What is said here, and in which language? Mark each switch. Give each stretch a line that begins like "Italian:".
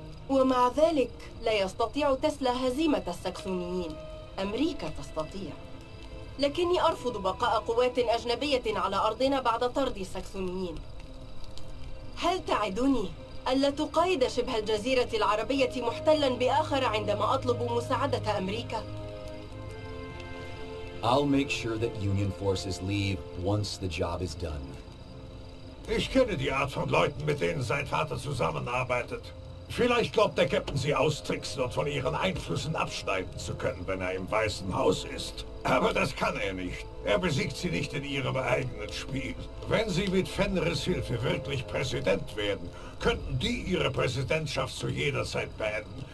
Arabic: ومع ذلك لا يستطيع تسلا هزيمة الساكسونيين، أمريكا تستطيع. لكني أرفض بقاء قوات أجنبية على أرضنا بعد طرد الساكسونيين. هل تعدني ألا تقايد شبه الجزيرة العربية محتلا بآخر عندما أطلب مساعدة أمريكا؟
English: I'll make sure that Union forces leave once the job is done.
German: Ich kenne die Art von Leuten, mit denen sein Vater zusammenarbeitet. Vielleicht glaubt der Captain, sie austricksen und von ihren Einflüssen abschneiden zu können, wenn er im Weißen Haus ist. Aber das kann er nicht. Er besiegt sie nicht in ihrem eigenen Spiel. Wenn sie mit Fenris Hilfe wirklich Präsident werden, könnten die ihre Präsidentschaft zu jeder Zeit beenden.